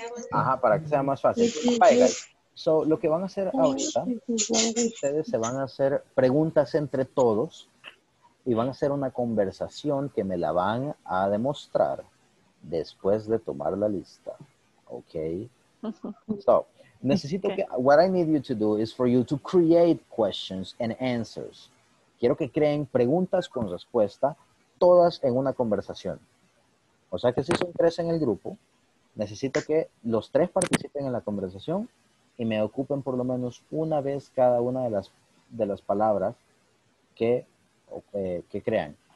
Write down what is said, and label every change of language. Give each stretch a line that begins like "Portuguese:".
Spanish: Ajá, para que sea más fácil.
English: Bye, guys.
Spanish: So, lo que van a hacer ahorita, ustedes se van a hacer preguntas entre todos y van a hacer una conversación que me la van a demostrar después de tomar la lista. Ok.
English: So,
Spanish: necesito que,
English: what I need you to do is for you to create questions and answers.
Spanish: Quiero que creen preguntas con respuesta, todas en una conversación. O sea que si son tres en el grupo, necesito que los tres participen en la conversación y me ocupen por lo menos una vez cada una de las palabras que crean.